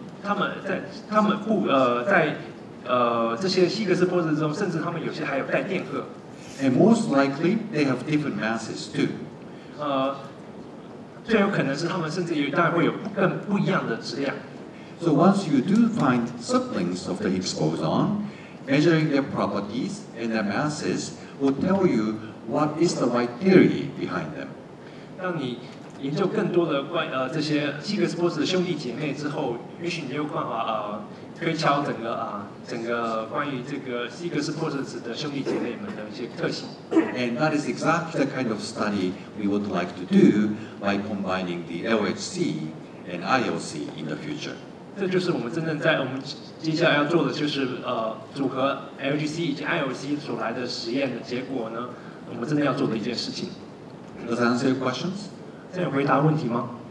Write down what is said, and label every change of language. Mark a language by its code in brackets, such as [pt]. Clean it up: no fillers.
[zh] 他们在这些希格斯破式子中，甚至他们有些还有带电荷。 [en] And most likely they have different masses too. [zh] 最有可能是他们甚至有大概会有更不一样的质量。 [en] So once you do find siblings of the Higgs boson, measuring their properties and their masses will tell you. What is the right theory behind them? [zh] 当你研究更多的这些希格斯波士的兄弟姐妹之后，也许你有办法推敲整个关于这个希格斯波士的兄弟姐妹们的一些特性。 [en] And that is exactly the kind of study we would like to do by combining the LHC and IOC in the future. [zh] 这就是我们真正在我们接下来要做的，就是组合 LHC 以及 IOC 所来的实验的结果呢。我们真的要做的一件事情。 [en] Does that answer your questions? [zh] 这有回答问题吗？